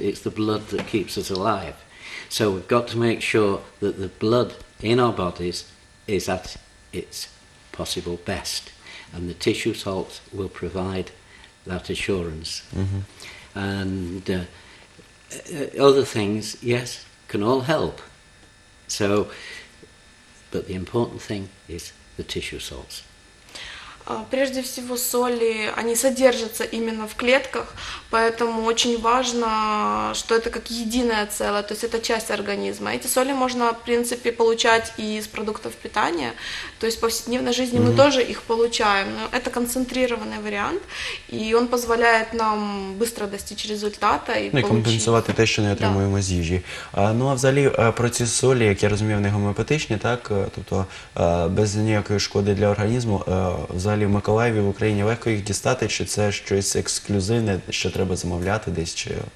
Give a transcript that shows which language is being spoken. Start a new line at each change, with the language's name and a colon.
English: It's the blood that keeps us alive. So we've got to make sure that the blood in our bodies is at its possible best, and the tissue salts will provide that assurance. Mm-hmm. And other things, yes, can all help. So, but the important thing is the tissue salts.
Russian: Прежде всего, соли, они содержатся именно в клетках, поэтому очень важно, что это как единое целое, то есть это часть организма. Эти соли можно, в принципе, получать и из продуктов питания, то есть в повседневной жизни мы тоже их получаем, но это концентрированный вариант, и он позволяет нам быстро достичь результата и получить... компенсировать то, что
Ukrainian: не отримуємо з їжі. Ну, а взагалі, про ці солі, як я розумію, вони гомеопатичні, так? Тобто, без ніякої шкоди для організму, взагалі в Миколаєві, в Україні легко їх дістати, чи це щось ексклюзивне, що треба замовляти десь, чи...